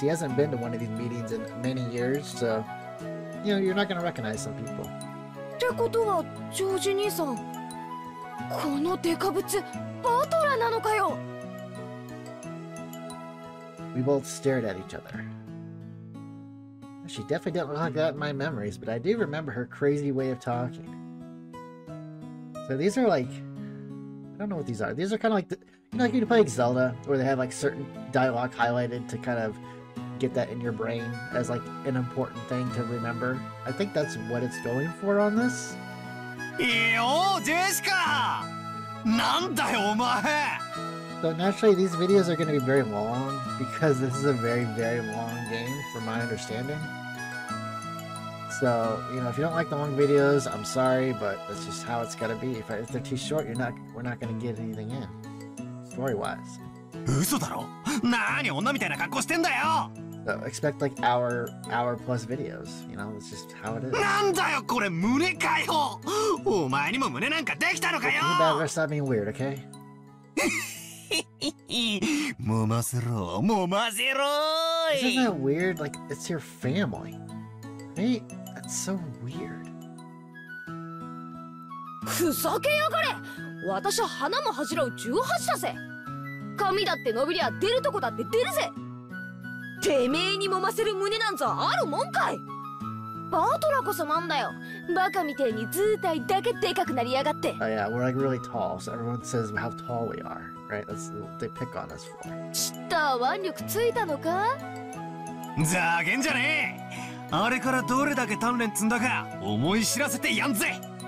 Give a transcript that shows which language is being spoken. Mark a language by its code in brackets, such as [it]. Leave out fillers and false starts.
[en] He hasn't been to one of these meetings in many years, so you know you're not gonna recognize some people. [ja] ってことはジョージ兄さん、このデカブツバトラなのかよ。 [en] We both stared at each other. She definitely didn't look like that in my memories, but I do remember her crazy way of talking. So these are like, I don't know what these are. These are kind of like, the, you know, like when you play like Zelda, where they have like certain dialogue highlighted to kind of get that in your brain as like an important thing to remember. I think that's what it's going for on this. [ja] Yo, Jessica! Nan da yo, omae? [en] So naturally, these videos are going to be very long because this is a very, very long game from my understanding. So, you know, if you don't like the long videos, I'm sorry, but that's just how it's going to be. If they're too short, we're not going to get anything in, story-wise. So expect like hour plus videos, you know, it's just how it is. [ja] なんだよこれ胸かよ。お前にも胸なんかできたのかよ。 [en] Think about it, stop being weird, okay? Isn't that weird? Like, it's your family. Hey, that's so weird. [ja] ふざけやがれ。私は花も恥じらう18だぜ。髪だって伸びりゃ出るとこだって出るぜ。てめえに揉ませる胸なんぞあるもんかい。バトラこそなんだよ。バカみてえに図体だけでかくなりやがって。 [en] Oh yeah, we're like really tall, so everyone says how tall we are. Right, that's what they pick on us for. [ja] チッター、腕力ついたのか？ざけんじゃねえ！あれからどれだけ鍛錬積んだか思い知らせてやんぜ！